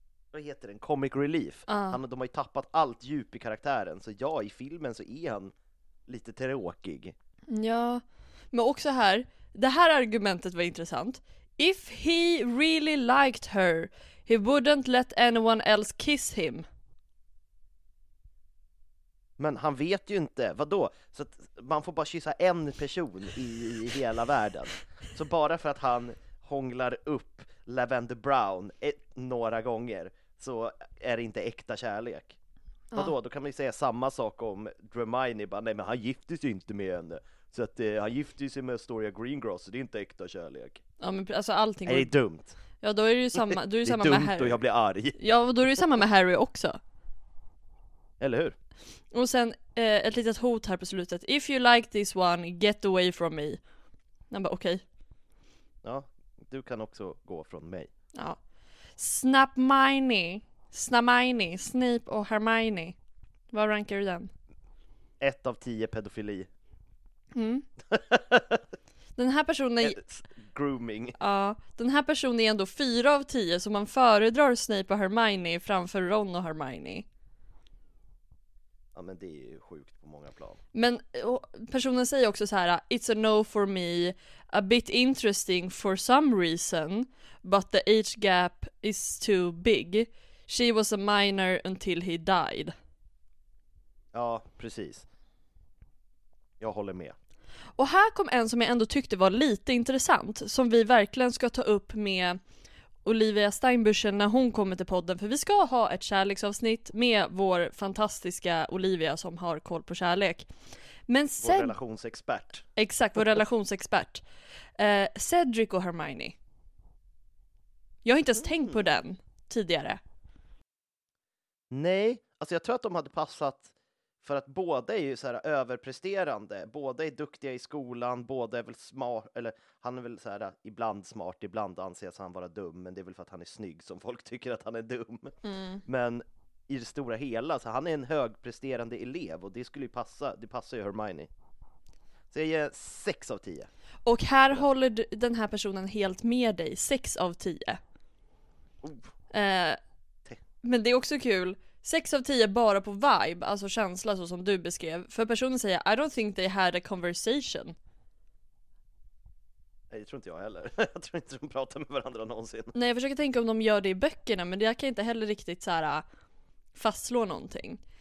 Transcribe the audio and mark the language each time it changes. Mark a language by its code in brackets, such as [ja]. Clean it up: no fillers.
[sv] Vad heter det? Comic relief. De har ju tappat allt djup i karaktären. Så ja, i filmen så är han lite tråkig. Ja, men också här. Det här argumentet var intressant. [en] If he really liked her, he wouldn't let anyone else kiss him. [sv] Men han vet ju inte, vadå? Så att man får bara kyssa en person i hela världen. Så bara för att han hånglar upp Lavender Brown några gånger så är det inte äkta kärlek. Vadå? Ja. Då kan man ju säga samma sak om Dramini. Nej, men han gifte sig inte med henne. Så att han gifte sig med Astoria Greengrass, så det är inte äkta kärlek. Ja, men alltså allting... Är det dumt? Ja, då är det ju samma, då är det samma med Harry. Det är dumt och jag blir arg. Ja, och då är det ju samma med Harry också. Eller hur? Och sen ett litet hot här på slutet. [en] If you like this one, get away from me. [sv] Han bara, okej. Ja, du kan också gå från mig. Ja. Snapmini, Snape och Hermione. Vad rankar du den? 1 av 10 pedofili. Mm. Den här personen... Grooming. Ja, den här personen är ändå 4 av 10, så man föredrar Snape och Hermione framför Ron och Hermione. Ja, men det är ju sjukt på många plan. Men personen säger också så här: [en] it's a no for me, a bit interesting for some reason, but the age gap is too big. She was a minor until he died. [sv] Ja, precis. Jag håller med. Och här kom en som jag ändå tyckte var lite intressant, som vi verkligen ska ta upp med Olivia Steinbuschen när hon kommer till podden, för vi ska ha ett kärleksavsnitt med vår fantastiska Olivia som har koll på kärlek. Men vår relationsexpert. Exakt, vår relationsexpert. Cedric och Hermione. Jag har inte ens tänkt på den tidigare. Nej, alltså jag tror att de hade passat, för att båda är ju så här överpresterande. Båda är duktiga i skolan, båda är väl smart, eller han är väl så här ibland smart, ibland anses han vara dum, men det är väl för att han är snygg som folk tycker att han är dum. Mm. Men i det stora hela, så han är en högpresterande elev och det skulle ju passa, det passar ju Hermione. Så jag ger 6 av 10. Och här håller den här personen helt med dig, 6 av 10. Oh. Men det är också kul. 6 av 10 bara på vibe, alltså känsla så som du beskrev. För personen säger, [en] I don't think they had a conversation. [sv] Nej, det tror inte jag heller. Jag tror inte de pratar med varandra någonsin. Nej, jag försöker tänka om de gör det i böckerna, men jag kan inte heller riktigt så här fastslå någonting.